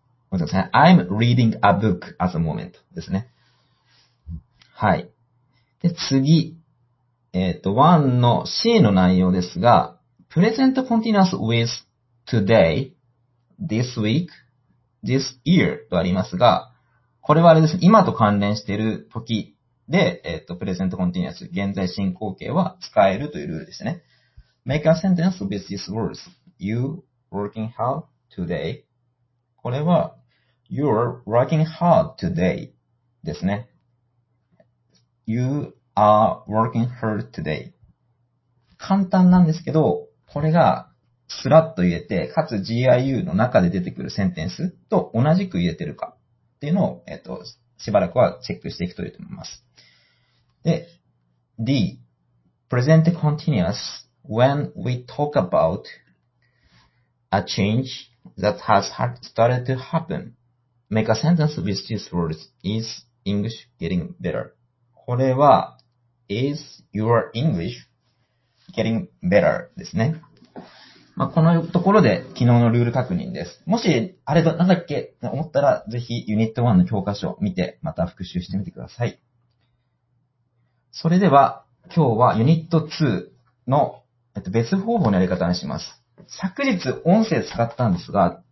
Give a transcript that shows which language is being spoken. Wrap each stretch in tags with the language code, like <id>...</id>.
<en>I'm reading a book at the moment</en> <ja>ですね。はい。で、次。 1の C の内容ですが、</ja> <en>present continuous with today, this week,This year</en> <ja>とありますが、これはあれですね、今と関連している時で、present continuous 現在進行形は使えるというルールですね。</ja> <en>Make a sentence with these words. You're working hard today.</en> <ja>これは、</ja> <en>You're working hard today</en> <ja>ですね。</ja> <en>You are working hard today.</en> <ja>簡単なんですけど、これが、スラッと言えて、かつ GIU の中で出てくるセンテンスと同じく言えてるかっていうのを、しばらくはチェックしていくといいと思います。</ja> <en>で、D. Present continuous when we talk about a change that has started to happen. Make a sentence with these words. Is English getting better?</en> <ja>これは、</ja> <en>Is your English getting better?</en> <ja>ですね。まあ、このところで昨日のルール確認です。もし、あれだ、なんだっけって思ったら、ぜひユニット1の教科書を見て、また復習してみてください。それでは、今日はユニット2の別方法のやり方にします。昨日音声使ったんですが、</ja>